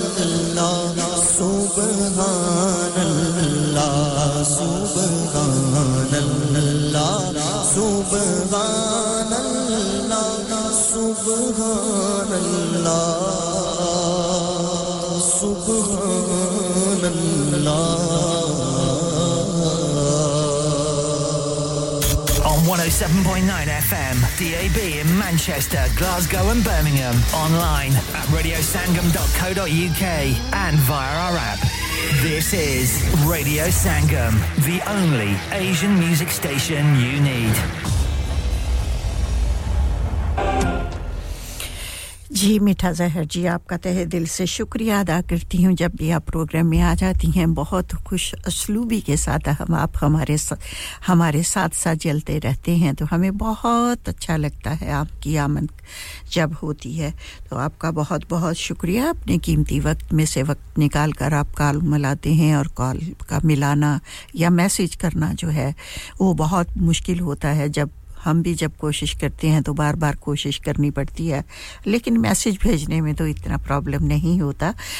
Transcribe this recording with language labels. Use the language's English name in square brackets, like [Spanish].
[Arabic] اللہ سبحان اللہ سبحان اللہ سبحان اللہ سبحان اللہ [English] FM, DAB in Manchester, Glasgow and Birmingham, online at radiosangam.co.uk and via our app. This is Radio Sangam, the only Asian music station you need. [Hindi] जी मीठा जहर जी आपका तहे दिल से शुक्रिया अदा करती हूँ जब भी आप प्रोग्राम में आ जाती हैं बहुत खुश असलूबी के साथ आप हमारे साथ साथ चलते रहते हैं तो हमें बहुत अच्छा लगता है आपकी आमद जब होती है तो आपका बहुत बहुत शुक्रिया अपने कीमती वक्त में से वक्त निकाल कर आप कॉल मिलाते हैं और कॉल का मिलाना या मैसेज करना जो है वो बहुत मुश्किल होता है जब हम भी जब कोशिश करते हैं तो बार बार कोशिश करनी पड़ती है लेकिन मैसेज भेजने में तो इतना प्रॉब्लम नहीं होता